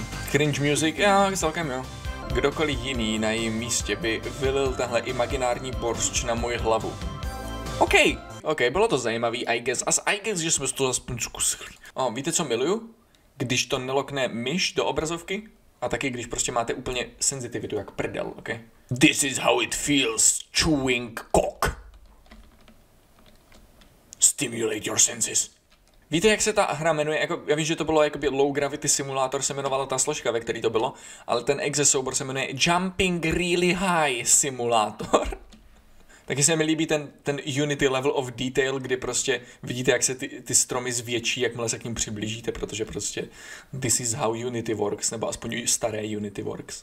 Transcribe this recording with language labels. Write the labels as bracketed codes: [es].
[cs] Cringe music, jo, celkem jo. Kdokoliv jiný na jejím místě by vylil tahle imaginární boršč na moji hlavu. Okej, okej, bylo to zajímavý, [en] I guess, [cs] že jsme to aspoň zkusili. Víte co miluju? Když to nelokne myš do obrazovky? A taky, když prostě máte úplně senzitivitu jak prdel, okej? [en] Okay? This is how it feels, chewing cock. Stimulate your senses. [cs] Víte, jak se ta hra jmenuje? Jako, já vím, že to bylo jakoby Low Gravity Simulator, se jmenovala ta složka, ve který to bylo. Ale ten exe soubor se jmenuje Jumping Really High Simulator. Taky se mi líbí ten Unity level of detail, kdy prostě vidíte, jak se ty stromy zvětší, jakmile se k ním přiblížíte, protože prostě [en] this is how Unity works, [cs] nebo aspoň staré Unity works.